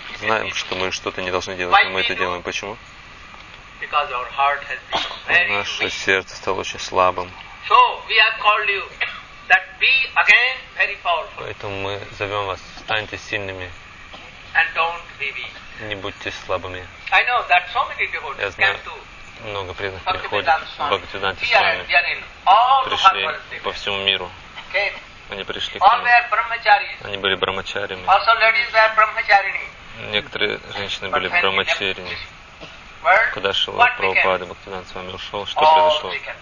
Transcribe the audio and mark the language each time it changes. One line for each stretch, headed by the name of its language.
Russian: Мы знаем, что мы что-то не должны делать, но мы это делаем. Почему? Наше сердце стало очень слабым.
English: So we have called you that be again very powerful.
Russian: Поэтому мы зовем вас, станьте сильными.
English: And don't be weak.
Russian: Не будьте слабыми.
English: I know that so many devotees came to.
Russian: Много преданных приходят. Бхактивиданта Свами. Пришли по всему миру. Они пришли. Они были брахмачарями.
English: Also ladies were brahmacharini.
Russian: Некоторые женщины были брахмачарини. Куда шел Прабхупада, Бхактивиданта Свами ушел? Что произошло?